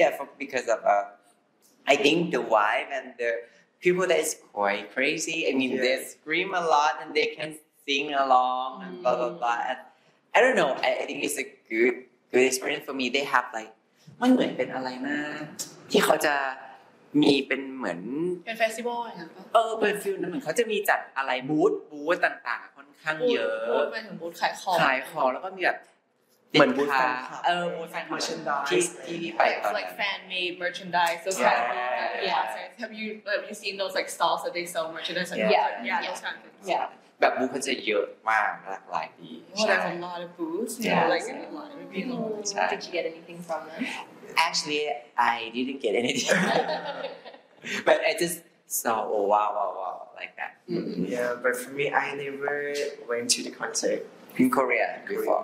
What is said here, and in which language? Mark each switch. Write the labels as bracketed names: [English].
[English] yeah, because of I think the vibe and the people that is quite crazy. I mean, yes, they scream a lot and they can sing along and mm-hmm blah blah blah. And I don't know. I think it's a good experience for me. They have like, what is it? It's like that. [Thai] มีเป็นเหมือน เป็นเฟสติวัล อ่ะเออเป็นฟิลนั้นเหมือนเขาจะมีจัดอะไรบูธต่างๆค่อนข้างเยอะ บูธมาถึงบูธขายของ แล้วก็มีแบบ เหมือนบูธ เออบูธแฟน เมอร์ชันดาย ที่ไปตอนนั้น [English] like fan made merchandise those kind of things. Yeah, so have you seen those like stalls that they sell merchandise? Yeah. [Thai] แบบบูธเขาจะเยอะมากหลากหลายดีใช่ [English] there's a lot of booths like in the line did you get anything from them? Actually, I didn't get anything, but I just saw wow, like that. Mm-hmm. Yeah, but for me, I never went to the concert in Korea before.